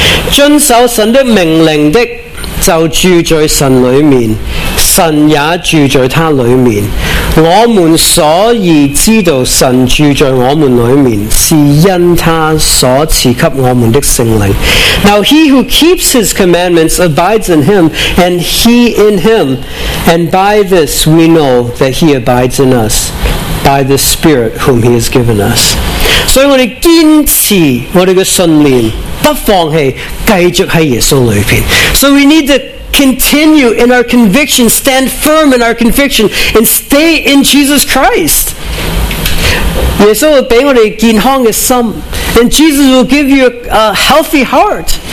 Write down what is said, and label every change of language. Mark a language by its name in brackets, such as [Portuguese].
[Chinese] 遵守神的命令的 就住在神里面，神也住在他里面。我们所以知道神住在我们里面，是因他所赐给我们的圣灵。 [English] Now he who keeps his commandments abides in him, and he in him. And by this we know that he abides in us, by the Spirit whom he has given us. [Chinese] 所以我们坚持我们的信念，不放弃，继续在耶稣里面。 [English] So we need to continue in our conviction, stand firm in our conviction, and stay in Jesus Christ. [Chinese] 耶稣会给我们健康的心, [English] and Jesus will give you a healthy heart.